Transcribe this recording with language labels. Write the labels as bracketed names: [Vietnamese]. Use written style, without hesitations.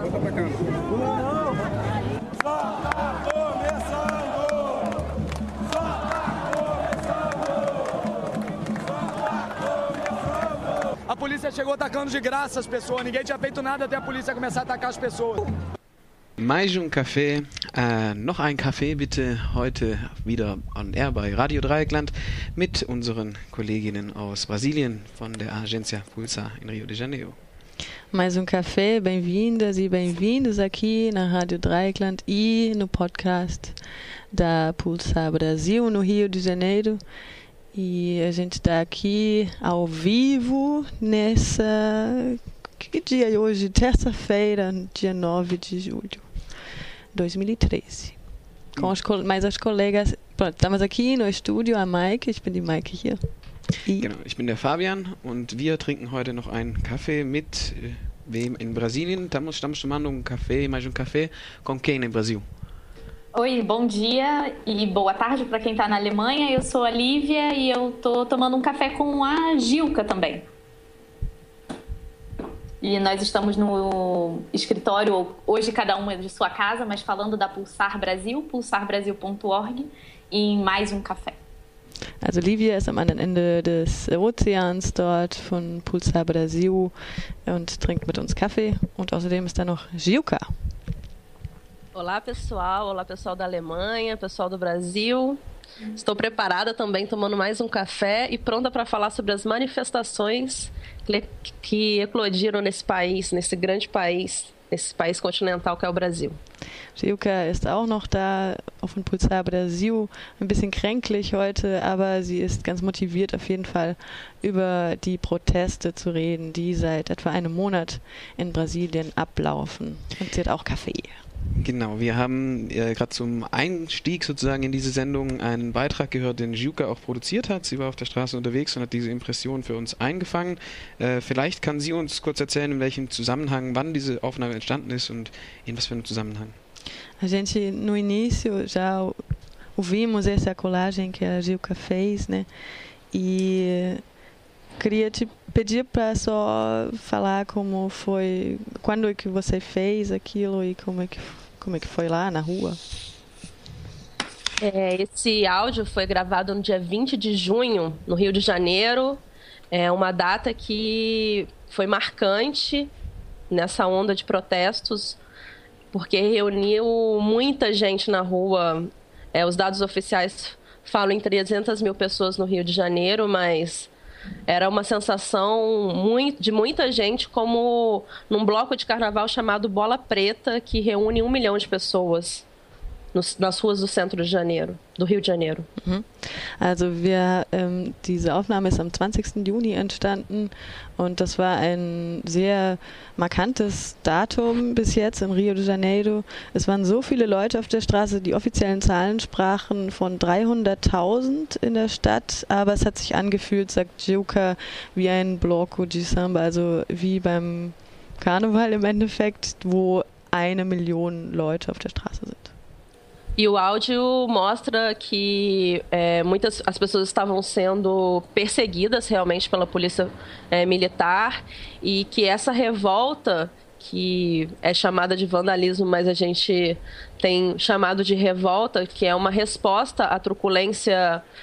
[Portuguese] Volta pra cá. Não! Volta, começa! A polícia chegou atacando de graça as pessoas. Ninguém tinha feito nada até a polícia começar a atacar as pessoas. Mais um café. [German] Noch ein café, bitte. Heute wieder on air bei Radio Dreieckland mit unseren Kolleginnen aus Brasilien von der Agência Pulsa in Rio de Janeiro. [Portuguese] Mais um café. Bem-vindas e bem-vindos aqui na Radio Dreieckland e no podcast da Pulsa Brasil no Rio de Janeiro. E a gente está aqui ao vivo nessa... Que dia é hoje? Terça-feira, dia 9 de julho, 2013. Com os mais as colegas... Pronto, estamos aqui no estúdio, a Maike, eu sou a Maike aqui. [German] Genau, ich bin der Fabian und wir trinken heute noch einen Kaffee mit wem in Brasilien? [Portuguese] Estamos tomando café, mais café, com quem no Brasil? Oi, bom dia e boa tarde para quem está na Alemanha. Eu sou a Lívia e eu estou tomando um café com a Gilka também. E nós estamos no escritório, hoje cada um é de sua casa, mas falando da Pulsar Brasil, pulsarbrasil.org, em mais um café. [German] Also Lívia ist am anderen Ende des Ozeans dort von Pulsar Brasil und trinkt mit uns Kaffee. Und außerdem ist da noch Gilka. [Portuguese] Olá pessoal da Alemanha, pessoal do Brasil. Estou preparada também, tomando mais um café e pronta para falar sobre as manifestações que eclodiram nesse país, nesse grande país, nesse país continental que é o Brasil. [German] Gilka ist auch noch da auf dem Pulsar Brasil, ein bisschen kränklich heute, aber sie ist ganz motiviert auf jeden Fall über die Proteste zu reden, die seit etwa einem Monat in Brasilien ablaufen. Und sie hat auch Kaffee. Genau, wir haben gerade zum Einstieg sozusagen in diese Sendung einen Beitrag gehört, den Gilka auch produziert hat. Sie war auf der Straße unterwegs und hat diese Impression für uns eingefangen. Vielleicht kann sie uns kurz erzählen, in welchem Zusammenhang, wann diese Aufnahme entstanden ist und in was für einem Zusammenhang. [Portuguese] A gente no início já ouvimos essa colagem que a Gilka fez, né? E queria te pedir para só falar como foi, quando é que você fez aquilo e como é que foi lá na rua. É, esse áudio foi gravado no dia 20 de junho, no Rio de Janeiro. É uma data que foi marcante nessa onda de protestos, porque reuniu muita gente na rua. É, os dados oficiais falam em 300 mil pessoas no Rio de Janeiro, mas... Era uma sensação de muita gente, como num bloco de carnaval chamado Bola Preta, que reúne 1 milhão de pessoas nas ruas do centro de Janeiro, do Rio de Janeiro. [German] Also, diese Aufnahme ist am 20. Juni entstanden und das war ein sehr markantes Datum bis jetzt im Rio de Janeiro. Es waren so viele Leute auf der Straße, die offiziellen Zahlen sprachen von 300.000 in der Stadt, aber es hat sich angefühlt, sagt Gilka, wie ein Bloco de Samba, also wie beim Karneval im Endeffekt, wo 1 Million Leute auf der Straße sind. [Portuguese] E o áudio mostra que as pessoas estavam sendo perseguidas realmente pela polícia militar e que essa revolta, que é chamada de vandalismo, mas a gente tem chamado de revolta, que é uma resposta à truculência